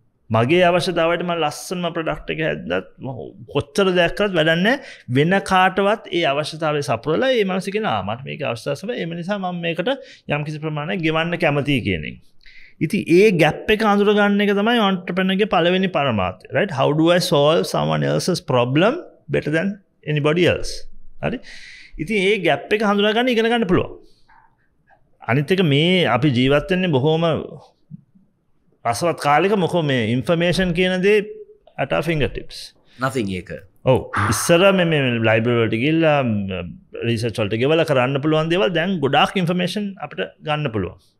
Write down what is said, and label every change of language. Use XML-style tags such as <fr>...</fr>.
<si>මගේ අවශ්‍යතාවයට මම ලස්සනම ප්‍රොඩක්ට් එක හැද්දත් කොච්චර දෙයක් කරත් වැඩක් නැහැ. වෙන කාටවත් ඒ අවශ්‍යතාවය සපුරලා ඒ මනස කියන මට මේක අවශ්‍යතාවය ඒ නිසා මම මේකට යම් කිසි ප්‍රමාණයක් ගෙවන්න කැමතියි කියන එක. ඉතින් ඒ ගැප් එක අඳුර ගන්න එක තමයි ඔන්ටර්ප්‍රනර්ගේ පළවෙනි පරමාර්ථය. right?</si> <en>How do I solve someone else's problem better than anybody else?</en> <si>හරි. ඉතින් ඒ ගැප් එක හඳුනා ගන්න ඉගෙන ගන්න පුළුවන්. අනිත් එක මේ අපි ජීවත් වෙන්නේ බොහොම රසවත් කාලයක. මොකද මේ information කියන දේ</si> <en>at our fingertips.</en> <si>Nothing එක. ඔව්. ඉස්සර මේ library වලට ගිහිල්ලා research වලට ගිහලා කරන්න පුළුවන් දේවල් දැන් ගොඩාක් information අපිට ගන්න පුළුවන්.</si>